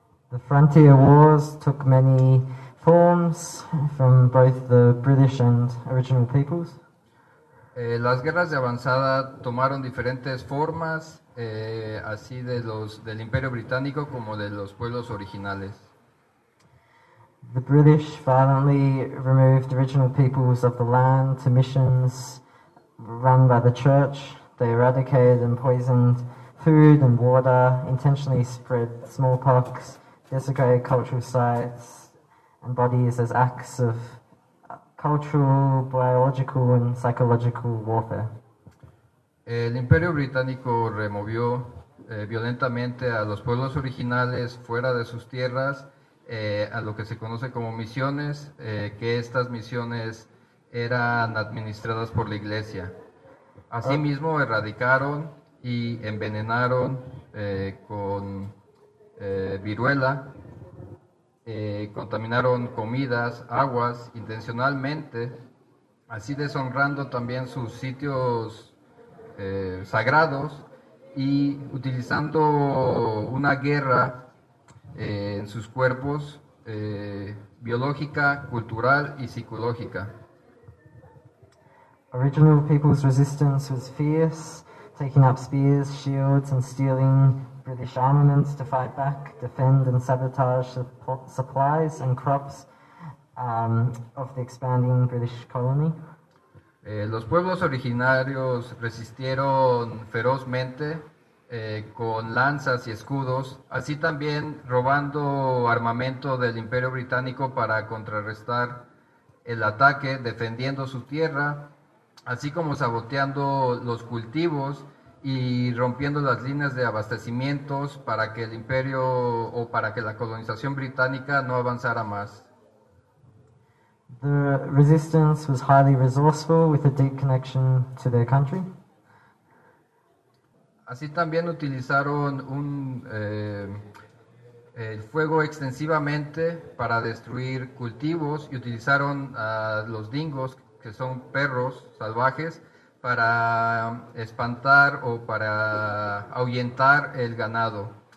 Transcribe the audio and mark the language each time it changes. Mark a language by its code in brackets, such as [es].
[en] The frontier wars took many forms from both the British and original peoples. [es] Las guerras de avanzada tomaron diferentes formas, así del Imperio Británico como de los pueblos originales. [en] The British violently removed original peoples of the land to missions run by the church. They eradicated and poisoned food and water, intentionally spread smallpox, desecrated cultural sites and bodies as acts of cultural, biological and psychological warfare. [es] El Imperio Británico removió violentamente a los pueblos originales fuera de sus tierras, a lo que se conoce como misiones, que estas misiones eran administradas por la Iglesia. Asimismo, erradicaron y envenenaron con viruela, contaminaron comidas, aguas, intencionalmente, así deshonrando también sus sitios sagrados y utilizando una guerra en sus cuerpos, biológica, cultural y psicológica. [en] Original people's resistance was fierce, taking up spears, shields, and stealing British armaments to fight back, defend, and sabotage supplies and crops of the expanding British colony. [es] Los pueblos originarios resistieron ferozmente con lanzas y escudos, así también robando armamento del Imperio Británico para contrarrestar el ataque, defendiendo su tierra, así como saboteando los cultivos y rompiendo las líneas de abastecimientos para que el imperio o para que la colonización británica no avanzara más. [en] The resistance was highly resourceful with a deep connection to their country. [es] Así también utilizaron el fuego extensivamente para destruir cultivos y utilizaron a los dingos, que son perros salvajes, para espantar o para ahuyentar el ganado.